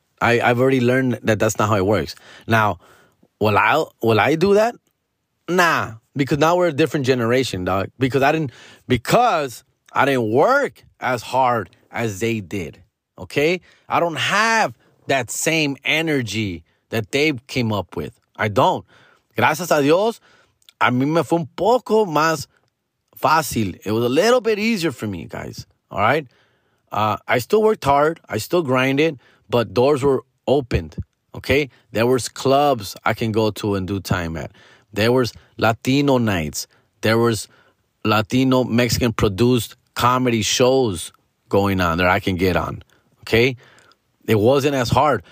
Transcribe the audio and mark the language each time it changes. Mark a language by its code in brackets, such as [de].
[en] I've already learned that that's not how it works. Now, will I do that? Nah, because now we're a different generation, dog. Because I didn't work as hard as they did. Okay? I don't have that same energy that they came up with. I don't. [es] Gracias a Dios, a mí me fue un poco más fácil. [en] It was a little bit easier for me, guys. All right? I still worked hard. I still grinded. But doors were opened. Okay? There was clubs I can go to and do time at. There was Latino nights. There was Latino Mexican produced comedy shows going on that I can get on. Okay? It wasn't as hard.